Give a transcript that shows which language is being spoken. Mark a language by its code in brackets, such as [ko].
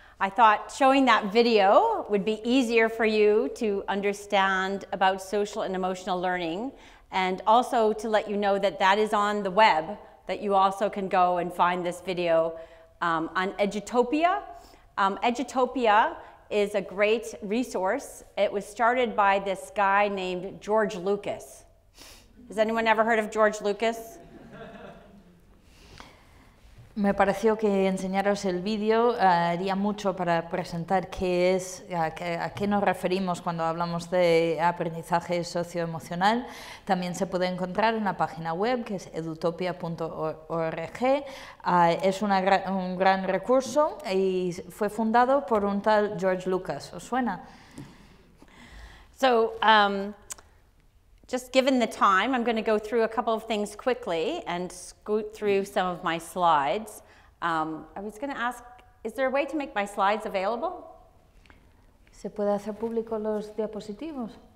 [en] I thought showing that video would be easier for you to understand about social and emotional learning, and also to let you know that that is on the web, that you also can go and find this video on Edutopia. Edutopia is a great resource. It was started by this guy named George Lucas. Has anyone ever heard of George Lucas? [es] Me pareció que enseñaros el vídeo haría mucho para presentar qué es, a qué nos referimos cuando hablamos de aprendizaje socioemocional. También se puede encontrar en la página web, que es edutopia.org. Es un gran recurso y fue fundado por un tal George Lucas. ¿Os suena? [en] So, just given the time, I'm going to go through a couple of things quickly and scoot through some of my slides. I was going to ask, is there a way to make my slides available? [es] ¿Se puede hacer público los diapositivos?